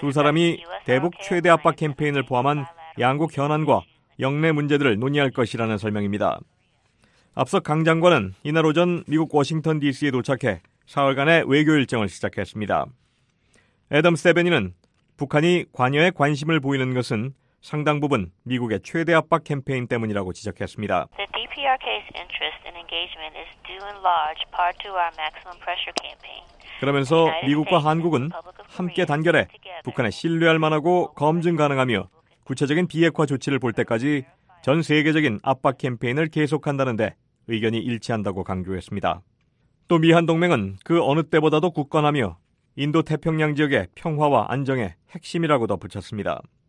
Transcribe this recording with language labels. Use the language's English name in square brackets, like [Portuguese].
[Korean] 두 사람이 대북 최대 압박 캠페인을 포함한 양국 현안과 영내 문제들을 논의할 것이라는 설명입니다. 앞서 강 장관은 이날 오전 미국 워싱턴 DC에 도착해 사흘간의 외교 일정을 시작했습니다. 애덤스 대변인은 북한이 관여에 관심을 보이는 것은 상당 부분 미국의 최대 압박 캠페인 때문이라고 지적했습니다. [English] The DPRK's interest in engagement is due in large part to our maximum pressure campaign. [Korean] 그러면서 미국과 한국은 함께 단결해 북한에 신뢰할 만하고 검증 가능하며 구체적인 비핵화 조치를 볼 때까지 전 세계적인 압박 캠페인을 계속한다는 데 의견이 일치한다고 강조했습니다. 또 미한동맹은 그 어느 때보다도 굳건하며 인도태평양 지역의 평화와 안정의 핵심이라고 덧붙였습니다.